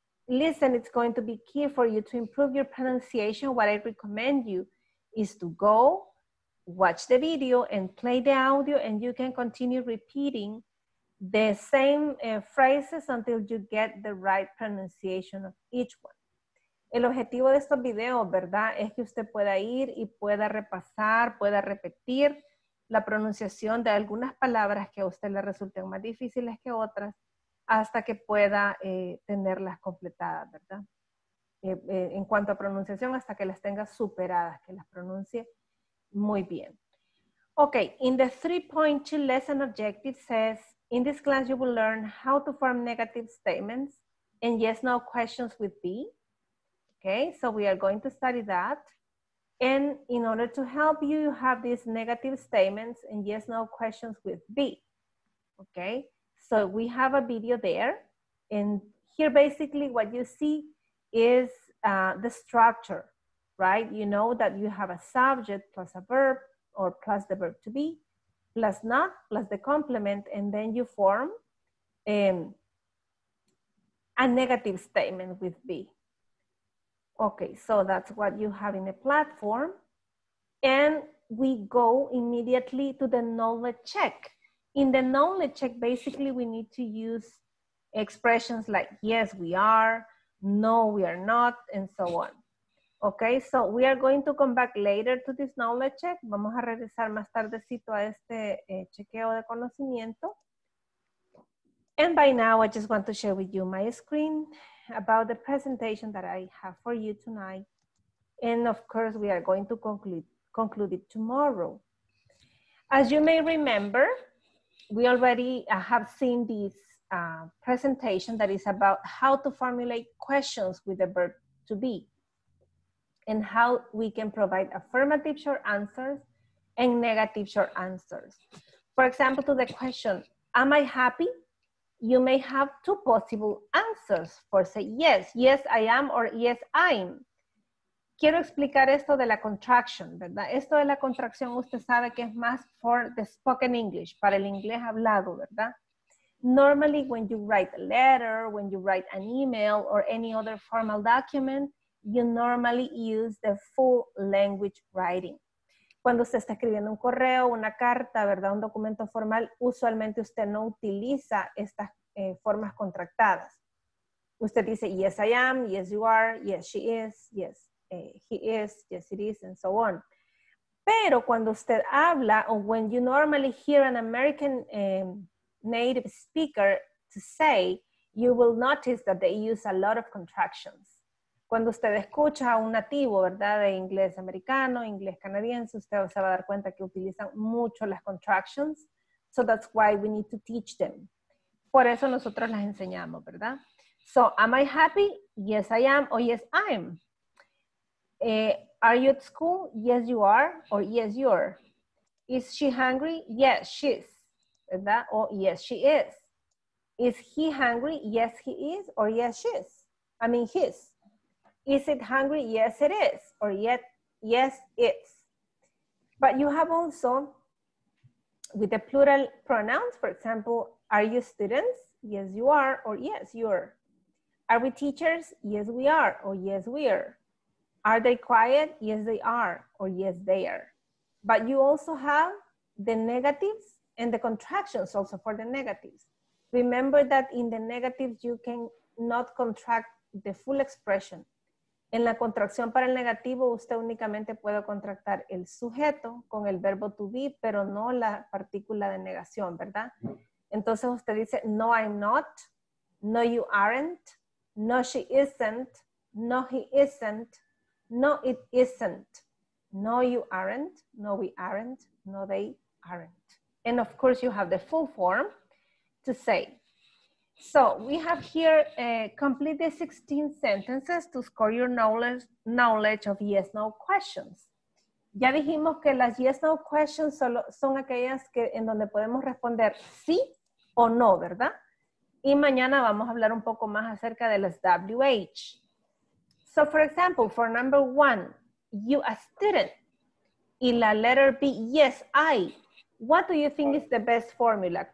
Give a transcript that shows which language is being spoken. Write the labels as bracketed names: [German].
[English] Listen, it's going to be key for you to improve your pronunciation. What I recommend you is to go watch the video and play the audio, and you can continue repeating the same phrases until you get the right pronunciation of each one. [Spanish] El objetivo de estos videos, ¿verdad?, es que usted pueda ir y pueda repasar, pueda repetir la pronunciación de algunas palabras que a usted le resulten más difíciles que otras hasta que pueda tenerlas completadas, ¿verdad? En cuanto a pronunciación, hasta que las tenga superadas, que las pronuncie muy bien. [English] Okay, in the 3.2 lesson objective says, in this class you will learn how to form negative statements and yes, no questions with B. Okay, so we are going to study that. And in order to help you, you have these negative statements and yes, no questions with B. Okay, so we have a video there. And here basically what you see is the structure, right? You know that you have a subject plus a verb or plus the verb to be, plus not, plus the complement, and then you form a negative statement with B. Okay, so that's what you have in the platform. And we go immediately to the knowledge check. In the knowledge check, basically we need to use expressions like, yes, we are, no, we are not, and so on. Okay, so we are going to come back later to this knowledge check. [Spanish] Vamos a regresar más tardecito a este chequeo de conocimiento. [English] And by now, I just want to share with you my screen about the presentation that I have for you tonight. And of course, we are going to conclude it tomorrow. As you may remember, we already have seen this presentation that is about how to formulate questions with the verb to be, and how we can provide affirmative short answers and negative short answers. For example, to the question, am I happy? You may have two possible answers for say yes, yes I am, or yes I'm. [Spanish] Quiero explicar esto de la contracción, ¿verdad? Esto de la contracción usted sabe que es más [English] for the spoken English, [Spanish] para el inglés hablado, ¿verdad? [English] Normally when you write a letter, when you write an email or any other formal document, you normally use the full language writing. [Spanish] Cuando usted está escribiendo un correo, una carta, ¿verdad? Un documento formal, usualmente usted no utiliza estas formas contractadas. Usted dice, [English] yes, I am, yes, you are, yes, she is, yes, he is, yes, it is, and so on. [Spanish] Pero cuando usted habla, [English] or when you normally hear an American native speaker to say, you will notice that they use a lot of contractions. [Spanish] Cuando usted escucha a un nativo, ¿verdad? De inglés americano, inglés canadiense, usted se va a dar cuenta que utilizan mucho las contractions. [English] So that's why we need to teach them. [Spanish] Por eso nosotros las enseñamos, ¿verdad? [English] So, am I happy? Yes, I am. Or yes, I am. Are you at school? Yes, you are. Or yes, you're. Is she hungry? Yes, she's. [Spanish] ¿Verdad? [English] Or yes, she is. Is he hungry? Yes, he is. Or yes, she's. I mean, he's. Is it hungry? Yes, it is. Or yet, yes, it's. But you have also, with the plural pronouns, for example, are you students? Yes, you are. Or yes, you're. Are we teachers? Yes, we are. Or yes, we're. Are they quiet? Yes, they are. Or yes, they are. But you also have the negatives and the contractions also for the negatives. remember that in the negative you can not contract the full expression. [Spanish] En la contracción para el negativo, usted únicamente puede contractar el sujeto con el verbo to be, pero no la partícula de negación, ¿verdad? Entonces usted dice, [English] no, I'm not. No, you aren't. No, she isn't. No, he isn't. No, it isn't. No, you aren't. No, we aren't. No, they aren't. And of course, you have the full form to say. So we have here complete the 16 sentences to score your knowledge of yes-no questions. [Spanish] Ya dijimos que las yes-no questions solo son aquellas que en donde podemos responder sí o no, ¿verdad? Y mañana vamos a hablar un poco más acerca de las WH. [English] So for example, for number one, you a student. [Spanish] Y la [English] letter B, yes, I. What do you think is the best formula?